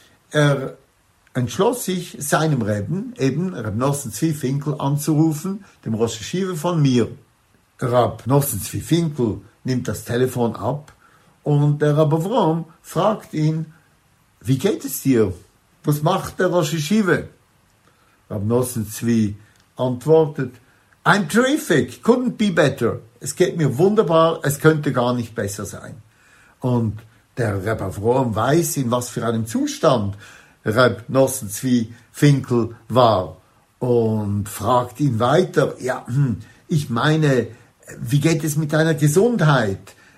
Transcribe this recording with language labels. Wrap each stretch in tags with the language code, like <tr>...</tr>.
<de>Er entschloss sich, seinem Reben, eben Reb Nossen Zvi Finkel, anzurufen, dem Rosh Yeshive von mir. Reb Nossen Zvi Finkel nimmt das Telefon ab und der Reb Avrom fragt ihn, wie geht es dir? Was macht der Rosh Yeshive?</de> <en>Reb Nossen Zvi</en> <de>antwortet,</de> <en>I'm terrific, couldn't be better.</en> <de>Es geht mir wunderbar, es könnte gar nicht besser sein. Und der Reb Avrom weiß, in was für einem Zustand Reb Nossen Zvi Finkel war und fragt ihn weiter, ja, ich meine, wie geht es mit deiner Gesundheit?</de>